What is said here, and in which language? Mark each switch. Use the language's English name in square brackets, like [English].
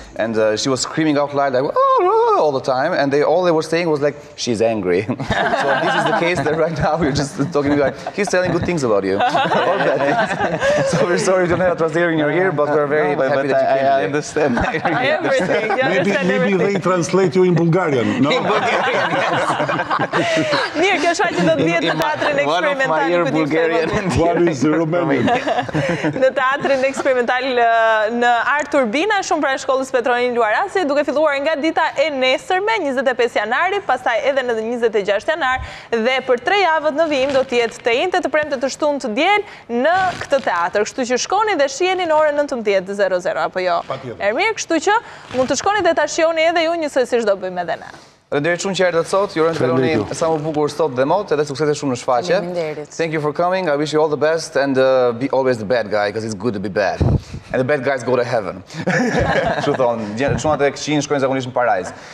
[English] And she was screaming out loud like, all the time. And all they were saying was like, she's angry. So this is the case that right now we're just talking about, he's telling good things about you. All bad things. So we're sorry to have a translator in your ear, but we're very happy that you came here. I understand. Maybe they translate you in Bulgarian, no? [Albanian] Mirë, kjo shfaqje do të vihet në teatrin eksperimental. [English] One of my Bulgarian. What is the Romanian? [Albanian] Në teatrin eksperimental në Art Turbina, shumë pranë shkollës Petronin Luarasi, duke filluar nga dita e nesërme, 25 janari, pastaj edhe në 26 janar, dhe për 3 javët në vijim do të jetë të njëjtë të premte të shtunë të diel në këtë teatr. Kështu që shkoni dhe shiheni në orën 19:00, apo jo? Ermir, kështu që mund të shkoni dhe ta shihoni edhe ju njësoj siç do bëjmë edhe ne. Faleminderit shumë që erdhët sot. Ju urojmë kaloni sa më bukur sot dhe mot, edhe suksese shumë në shfaqje. Faleminderit. [English] Thank you for coming. I wish you all the best and be always the bad guy because it's good to be bad. And the bad guys go to heaven. [Albanian] Çu thon, gjithë çunat e këqij shkojnë zakonisht në parajsë.